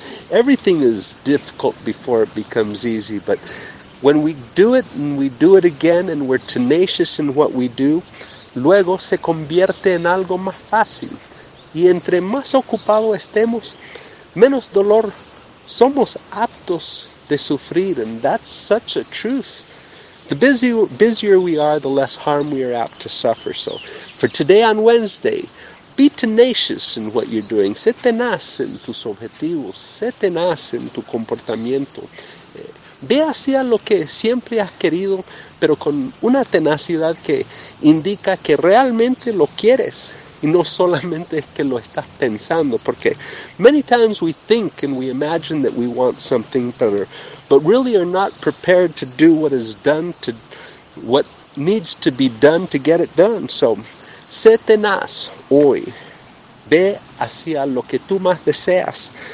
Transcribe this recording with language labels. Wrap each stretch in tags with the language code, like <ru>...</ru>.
<en>Everything is difficult before it becomes easy, but when we do it and we do it again and we're tenacious in what we do,</en> <es>luego se convierte en algo más fácil. Y entre más ocupado estemos, menos dolor somos aptos de sufrir.</es> <en>And that's such a truth. The busier we are, the less harm we are apt to suffer. So, for today on Wednesday, be tenacious in what you're doing.</en> <es>Sé tenaz en tus objetivos. Sé tenaz en tu comportamiento. Ve hacia lo que siempre has querido, pero con una tenacidad que indica que realmente lo quieres. Y no solamente es que lo estás pensando, porque</es> <en>many times we think and we imagine that we want something better, but really are not prepared to do what is done, to what needs to be done to get it done.</en> <es>So, sé tenaz hoy, ve hacia lo que tú más deseas.</es>